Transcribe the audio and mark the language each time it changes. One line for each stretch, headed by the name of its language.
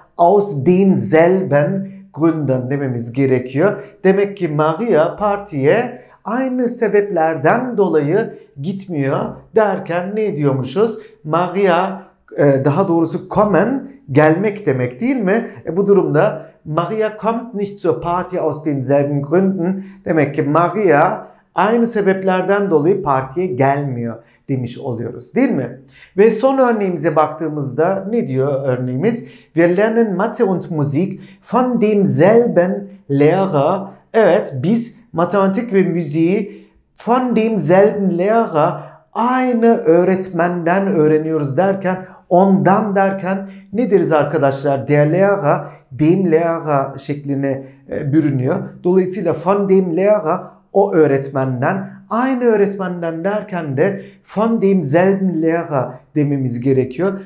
German: Aus denselben Gründen
Turkish: dememiz gerekiyor. Demek ki Maria partiye aynı sebeplerden dolayı gitmiyor derken ne diyormuşuz? Maria, daha doğrusu kommen, gelmek demek değil mi? Bu durumda
German: Maria kommt nicht zur Party aus denselben Gründen.
Turkish: Demek ki Maria aynı sebeplerden dolayı partiye gelmiyor demiş oluyoruz değil mi? Ve son örneğimize baktığımızda ne diyor örneğimiz?
German: Wir lernen Mathe und Musik von demselben Lehrer.
Turkish: Evet, biz matematik ve müziği
German: von demselben Lehrer,
Turkish: aynı öğretmenden öğreniyoruz derken, ondan derken ne deriz arkadaşlar?
German: Der Lehrer, dem Lehrer
Turkish: şekline bürünüyor. Dolayısıyla
German: von dem Lehrer,
Turkish: o öğretmenden, aynı öğretmenden derken de
German: von demselben Lehrer
Turkish: dememiz gerekiyor.